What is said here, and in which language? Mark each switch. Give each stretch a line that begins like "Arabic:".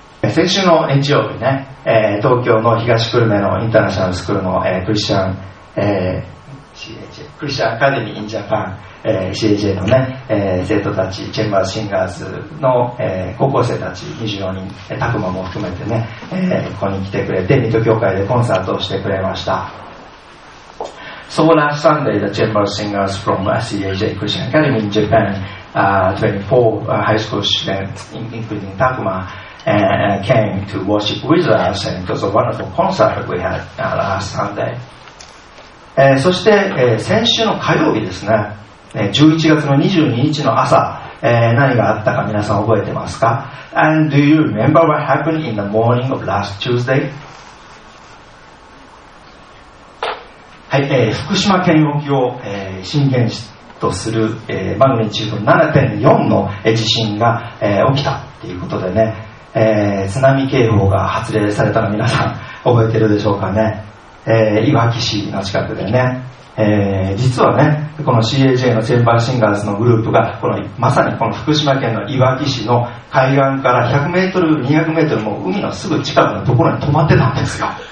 Japanese: 先週の日曜日ね、東京の東久留米のインターナショナルスクールの、クリスチャンアカデミーインジャパン、CAJ のね、生徒たち、チェンバーシンガーズの、高校生たち24人、タクマも含めてね、ここに来てくれて、水戸教会でコンサートをしてくれました。
English: So last Sunday, the チェンバーシンガーズ from CAJ Christian Academy in Japan 24 high school students, including TakumaCame to worship with us, and it was a wonderful concert we had last Sunday.
Japanese: そして、先週の火曜日ですね、11月の22日の朝、何があったか皆さん覚えてますか?
English: And do you remember what happened in the morning of last Tuesday?
Japanese: はい、福島県沖を、震源とする、マグニチュード 7.4 の地震が、起きたということでね、津波警報が発令されたの皆さん覚えてるでしょうかね、いわき市の近くでね、実はねこの CAJ のチェンバーシンガーズのグループがこのまさにこの福島県のいわき市の海岸から100メートル200メートルも海のすぐ近くのところに泊まってたんですよ。